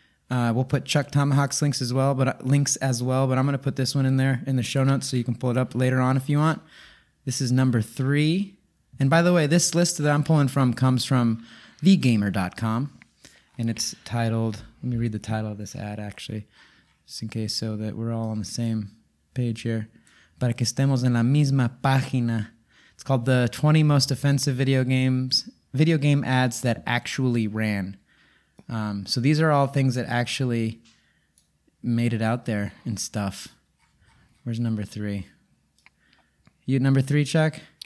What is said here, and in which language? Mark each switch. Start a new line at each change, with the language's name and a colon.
English: We'll put Chuck Tomahawk's links as well, but I'm gonna put this one in there in the show notes so you can pull it up later on if you want. This is number 3. And by the way, this list that I'm pulling from comes from thegamer.com, and it's titled, let me read the title of this ad actually, just in case so that we're all on the same page here.
Spanish: Para que estemos en la misma página.
English: It's called the 20 most offensive video game ads that actually ran. So these are all things that actually made it out there and stuff. Where's number 3? You at number 3, Chuck?